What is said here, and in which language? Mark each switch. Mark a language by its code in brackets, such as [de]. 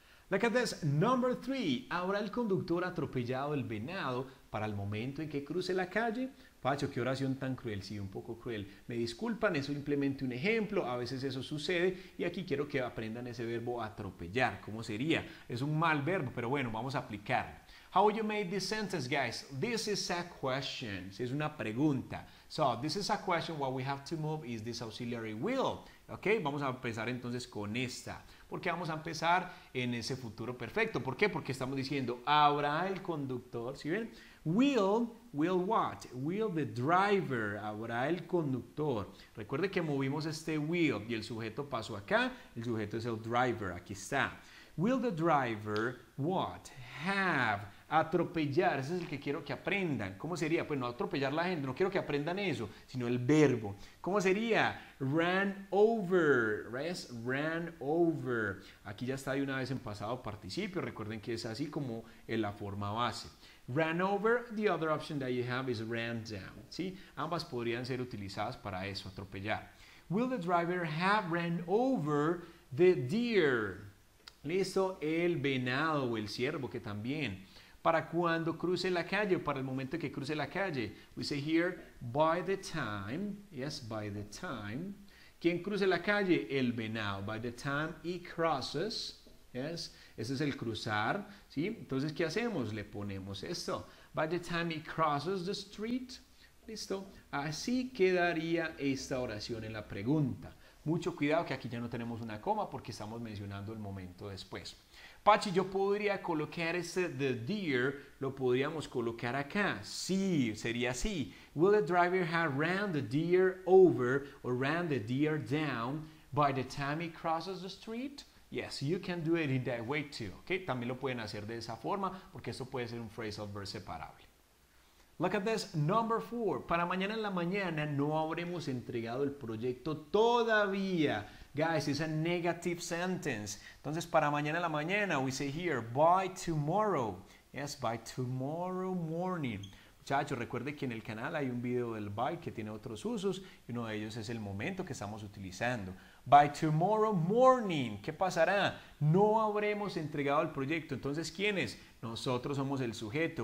[en] Look at this. Number three. [es] ¿Habrá el conductor atropellado el venado para el momento en que cruce la calle? Pacho, qué oración tan cruel, sí, un poco cruel. Me disculpan, es simplemente un ejemplo, a veces eso sucede y aquí quiero que aprendan ese verbo atropellar. ¿Cómo sería? Es un mal verbo, pero bueno, vamos a aplicarlo. [en] How would you make this sentence, guys? This is a question. [es] Es una pregunta. [en] So, this is a question. What we have to move is this auxiliary will. [es] Ok, vamos a empezar entonces con esta. porque vamos a empezar en ese futuro perfecto. ¿Por qué? Porque estamos diciendo, habrá el conductor, ¿sí ven? [en] Will what? Will the driver, [es] habrá el conductor. Recuerde que movimos este will y el sujeto pasó acá, el sujeto es el driver, aquí está. [en] Will the driver what? Have, [es] atropellar, ese es el que quiero que aprendan. ¿Cómo sería? Pues no atropellar la gente, no quiero que aprendan eso, sino el verbo. ¿Cómo sería? [en] Ran over, ¿ves? Ran over. [es] Aquí ya está de una vez en pasado participio, recuerden que es así como en la forma base. [en] Ran over, the other option that you have is ran down, ¿sí? [es] Ambas podrían ser utilizadas para eso, atropellar. [en] Will the driver have ran over the deer? [es] Listo, el venado o el ciervo, que también. Para cuando cruce la calle, para el momento que cruce la calle. [en] We say here, by the time, yes, by the time. [es] ¿Quién cruce la calle? El venado. [en] By the time he crosses, yes, [es] ese es el cruzar, [en] ¿sí? [es] Entonces, ¿qué hacemos? Le ponemos esto. [en] By the time he crosses the street, listo. [es] Así quedaría esta oración en la pregunta. Mucho cuidado que aquí ya no tenemos una coma porque estamos mencionando el momento después. Pachi, yo podría colocar ese the deer, lo podríamos colocar acá. Sí, sería así. [en] Will the driver have ran the deer over or ran the deer down by the time he crosses the street? Yes, you can do it in that way too. Okay? [es] También lo pueden hacer de esa forma porque eso puede ser un phrasal verb separable. [en] Look at this, number four. [es] Para mañana en la mañana no habremos entregado el proyecto todavía. [en] Guys, it's a negative sentence. [es] Entonces, para mañana en la mañana, [en] we say here, by tomorrow. Yes, by tomorrow morning. [es] Muchachos, recuerden que en el canal hay un video del by que tiene otros usos. Y uno de ellos es el momento que estamos utilizando. [en] By tomorrow morning. [es] ¿Qué pasará? No habremos entregado el proyecto. Entonces, ¿quién es? Nosotros somos el sujeto.